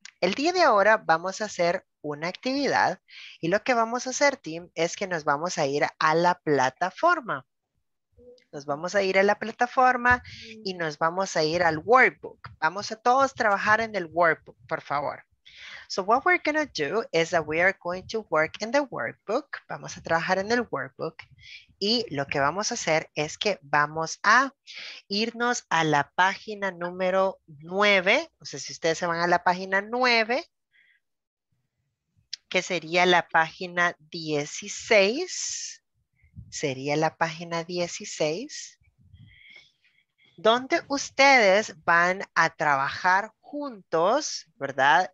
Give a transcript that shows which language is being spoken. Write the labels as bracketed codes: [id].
[es] El día de ahora vamos a hacer una actividad y lo que vamos a hacer, Tim, es que nos vamos a ir a la plataforma. Nos vamos a ir a la plataforma y nos vamos a ir al workbook. Vamos a todos trabajar en el workbook, por favor. [en] So what we're going to do is that we are going to work in the workbook. [es] Vamos a trabajar en el workbook y lo que vamos a hacer es que vamos a irnos a la página número 9. O sea, si ustedes se van a la página 9, que sería la página 16, sería la página 16, donde ustedes van a trabajar juntos, ¿verdad?